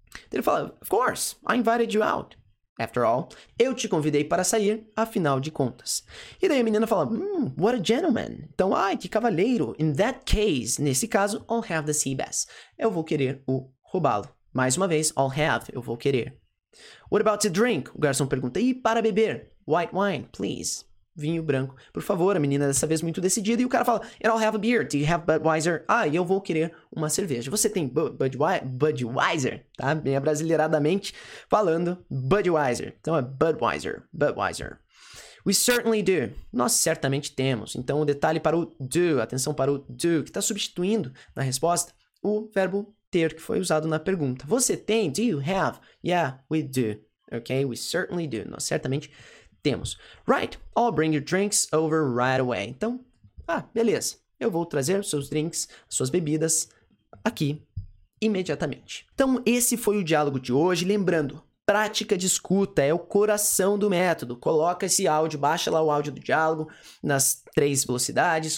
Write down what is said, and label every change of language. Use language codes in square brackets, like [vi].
[pt] Ele fala, [en] of course, I invited you out. After all, [pt] eu te convidei para sair, afinal de contas. E daí a menina fala, [en] what a gentleman. [pt] Então, ai, que cavalheiro. [en] In that case, [pt] nesse caso, [en] I'll have the sea bass. [pt] Eu vou querer o robalo. Mais uma vez, [en] I'll have, [pt] eu vou querer. [en] What about to drink? [pt] O garçom pergunta, e para beber? [en] White wine, please. [pt] Vinho branco, por favor. A menina dessa vez muito decidida. E o cara fala, [en] and I'll have a beer. Do you have Budweiser? [pt] Ah, e eu vou querer uma cerveja. Você tem Budweiser? Tá? Bem abrasileiradamente falando Budweiser. Então é [en] Budweiser. Budweiser. We certainly do. [pt] Nós certamente temos. Então o detalhe para o do. Atenção para o do. Que está substituindo na resposta o verbo ter que foi usado na pergunta. Você tem? [en] Do you have? Yeah, we do. Ok? We certainly do. [pt] Nós certamente temos. [en] Right, I'll bring your drinks over right away. [pt] Então, ah, beleza. Eu vou trazer os seus drinks, suas bebidas aqui imediatamente. Então, esse foi o diálogo de hoje. Lembrando, prática de escuta é o coração do método. Coloca esse áudio, baixa lá o áudio do diálogo nas três velocidades.